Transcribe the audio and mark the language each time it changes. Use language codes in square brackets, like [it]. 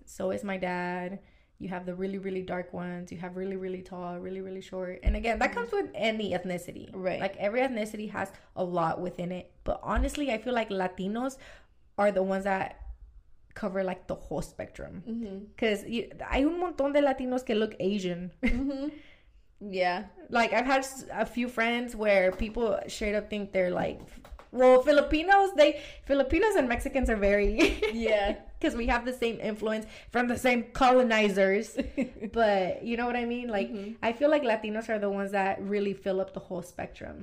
[en] So is my dad. You have the really, really dark ones. You have really, really tall, really, really short. And again, that comes with any ethnicity. Right. Like every ethnicity has a lot within it. But honestly, I feel like Latinos are the ones that cover like the whole spectrum. Because mm-hmm. [es] hay un montón de Latinos que [en] look Asian. Mm-hmm. Yeah. Like I've had a few friends where people straight up think they're like, well, Filipinos and Mexicans are very, yeah, because we have the same influence from the same colonizers, but you know what I mean? Like, mm-hmm. I feel like Latinos are the ones that really fill up the whole spectrum.